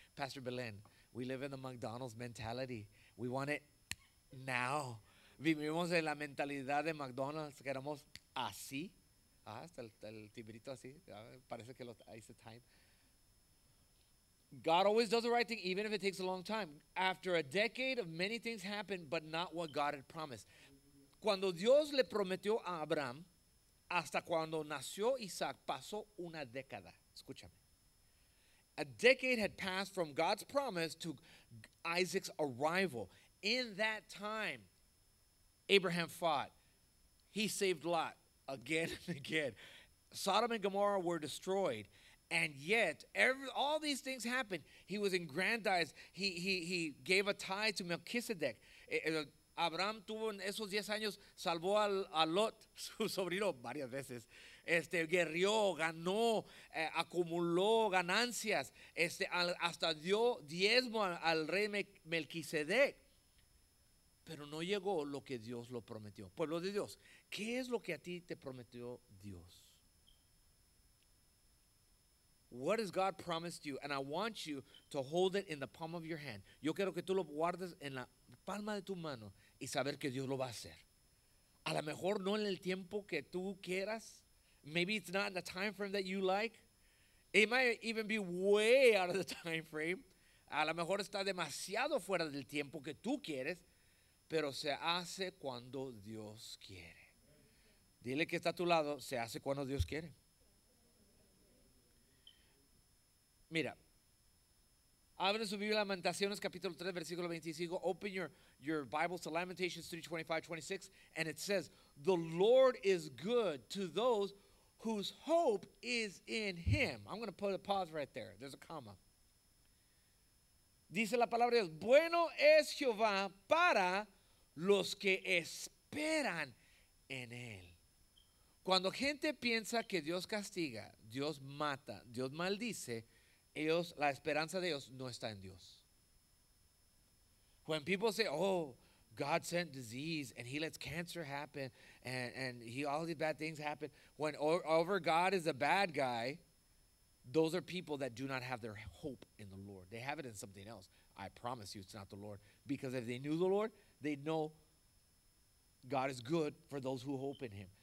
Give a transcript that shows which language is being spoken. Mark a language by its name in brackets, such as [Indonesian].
[English] Pastor Belén, we live in the McDonald's mentality. We want it now. [Spanish] Vivimos en la mentalidad de McDonald's, que éramos así. Ah, hasta el tibrito así. Parece que lo hice time. [English] God always does the right thing, even if it takes a long time. After a decade of many things happen, but not what God had promised. [Spanish] Cuando Dios le prometió a Abraham, hasta cuando nació Isaac, pasó una década. Escúchame. [English] A decade had passed from God's promise to Isaac's arrival. In that time, Abraham fought. He saved Lot again and again. Sodom and Gomorrah were destroyed. And yet, all these things happened. He was aggrandized. He gave a tithe to Melchizedek. [Spanish] Abraham tuvo en esos 10 años, salvó a Lot, su sobrino, varias veces. Guerrió, ganó, acumuló ganancias. Hasta dio diezmo al rey Melchizedek. Pero no llegó lo que Dios lo prometió. Pueblo de Dios, ¿qué es lo que a ti te prometió Dios? [English] What has God promised you? And I want you to hold it in the palm of your hand. [Spanish] Yo quiero que tú lo guardes en la palma de tu mano y saber que Dios lo va a hacer. A lo mejor no en el tiempo que tú quieras. [English] Maybe it's not in the time frame that you like. It might even be way out of the time frame. [Spanish] A lo mejor está demasiado fuera del tiempo que tú quieres. Pero se hace cuando Dios quiere. Dile que está a tu lado, se hace cuando Dios quiere. Mira, abre su Biblia, Lamentaciones, capítulo 3, versículo 25. [English] Open your Bibles to Lamentations 3, 25, 26. And it says, the Lord is good to those whose hope is in him. I'm going to put a pause right there. There's a comma. [Spanish] Dice la palabra de Dios, bueno es Jehová para los que esperan en él. Cuando gente piensa que Dios castiga, Dios mata, Dios maldice, ellos, la esperanza de ellos no está en Dios. [English] When people say, oh, God sent disease and he lets cancer happen and he all these bad things happen. When over God is a bad guy, those are people that do not have their hope in the Lord. They have it in something else. I promise you it's not the Lord. Because if they knew the Lord, they know God is good for those who hope in him.